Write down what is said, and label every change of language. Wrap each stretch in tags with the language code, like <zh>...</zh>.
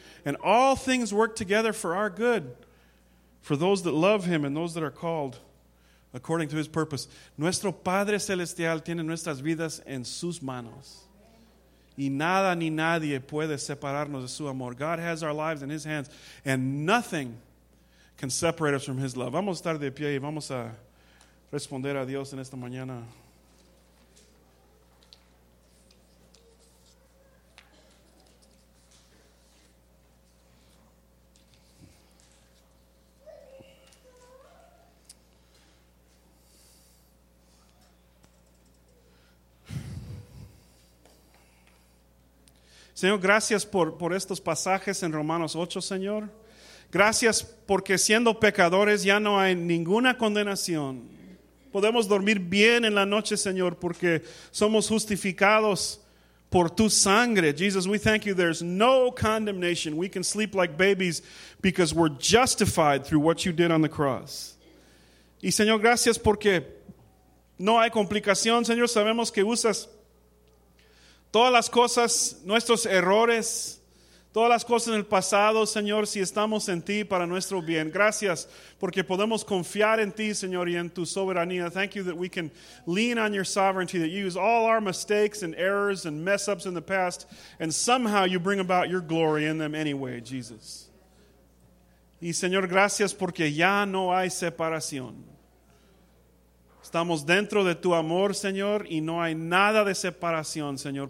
<en>And all things work together for our good. For those that love Him and those that are called according to His purpose.</en> <es>Nuestro Padre Celestial tiene nuestras vidas en sus manos. Y nada ni nadie puede separarnos de su amor.</es> <en>God has our lives in His hands, and nothing can separate us from His love.</en> <es>Vamos a estar de pie y vamos a responder a Dios en esta mañana. Señor, gracias por estos pasajes en Romanos 8, Señor. Gracias porque siendo pecadores ya no hay ninguna condenación. Podemos dormir bien en la noche, Señor, porque somos justificados por tu sangre.</es> <en>Jesus, we thank you. There's no condemnation. We can sleep like babies because we're justified through what you did on the cross.</en> <es>Y Señor, gracias porque no hay complicación. Señor, sabemos que usas todas las cosas, nuestros errores, todas las cosas en el pasado, Señor, si estamos en ti para nuestro bien. Gracias porque podemos confiar en ti, Señor, y en tu soberanía.</es> <en>Thank you that we can lean on your sovereignty, that you use all our mistakes and errors and mess ups in the past, and somehow you bring about your glory in them anyway, Jesus.</en> <es>Y Señor, gracias porque ya no hay separación. Estamos dentro de tu amor, Señor, y no hay nada de separación, Señor.</es>